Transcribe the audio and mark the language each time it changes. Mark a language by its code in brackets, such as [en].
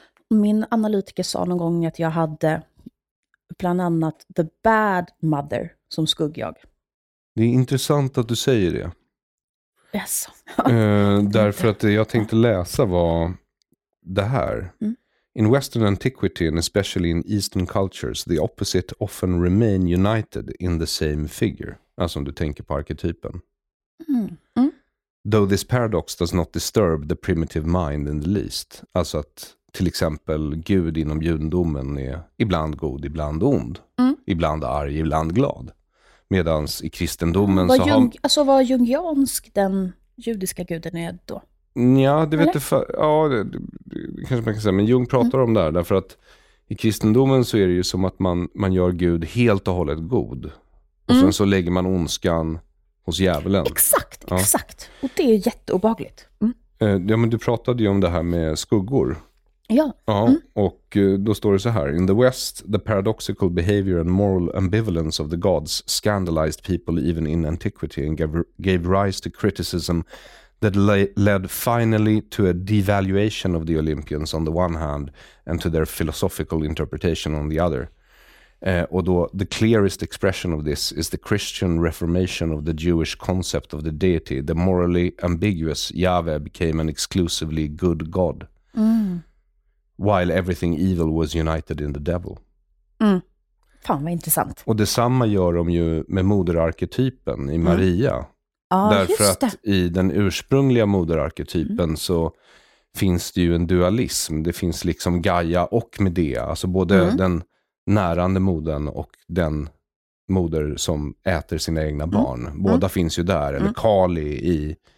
[sv] Mm-hmm. Min analytiker sa någon gång att jag hade bland annat [en] the bad mother [sv] som skuggjag. Det är intressant att du säger det. [en] Yes. [sv] därför att jag tänkte läsa var... Det här. Mm. [en] In Western antiquity and especially in Eastern cultures, the opposite often remain united in the same figure. [sv] Alltså om du tänker på arketypen. [en] Though this paradox does not disturb the primitive mind in the least. [sv] Alltså att till exempel Gud inom judendomen är ibland god, ibland ond. Mm. Ibland arg, ibland glad. Medans i kristendomen så Var jungiansk den judiska guden är då? Ja, det vet du det kanske man kan säga, men Jung pratar om det här, därför att i kristendomen så är det ju som att man gör Gud helt och hållet god och sen så lägger man ondskan hos djävulen. Exakt, exakt. Och det är jätteobehagligt. Ja, men du pratade ju om det här med skuggor. Ja. Ja, och då står det så här: [en] in the West, the paradoxical behavior and moral ambivalence of the gods scandalized people even in antiquity and gave rise to criticism that led finally to a devaluation of the Olympians on the one hand and to their philosophical interpretation on the other. [sv] Och då, [en] the clearest expression of this is the Christian reformation of the Jewish concept of the deity. The morally ambiguous Yahweh became an exclusively good god. Mm. While everything evil was united in the devil. [sv] Mm. Fan, vad intressant. Och detsamma gör de ju med moderarketypen i Maria. Mm. Därför att i den ursprungliga moderarketypen så finns det ju en dualism. Det finns liksom Gaia och Medea. Alltså både den närande modern och den moder som äter sina egna barn. Båda finns ju där. Eller Kali i